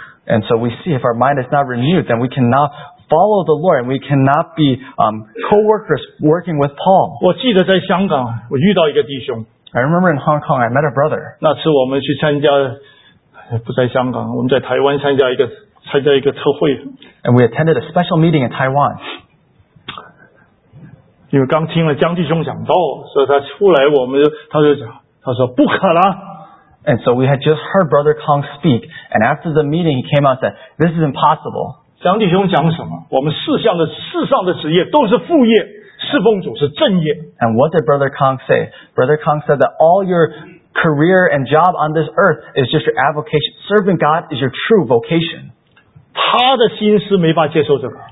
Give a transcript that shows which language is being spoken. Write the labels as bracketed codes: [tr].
[en] And so we see if our mind is not renewed, then we cannot follow the Lord, and we cannot be co-workers working with Paul. [zh] 我记得在香港,我遇到一个弟兄。 [en] I remember in Hong Kong, I met a brother. [zh] 那次我们去参加, 不在香港, 我们在台湾参加一个特会。 [en] And we attended a special meeting in Taiwan. [zh] 因为刚听了江弟兄讲道, 所以他出来我们就,他就讲, 他说不可能。 [en] And so we had just heard Brother Kong speak, and after the meeting, he came out and said, this is impossible. [zh] 江弟兄讲什么? 我们世上的职业都是副业。侍奉主是正业。 [en] And what did Brother Kong say? Brother Kong said that all your career and job on this earth is just your avocation. Serving God is your true vocation. [zh] 他的心思没法接受这个。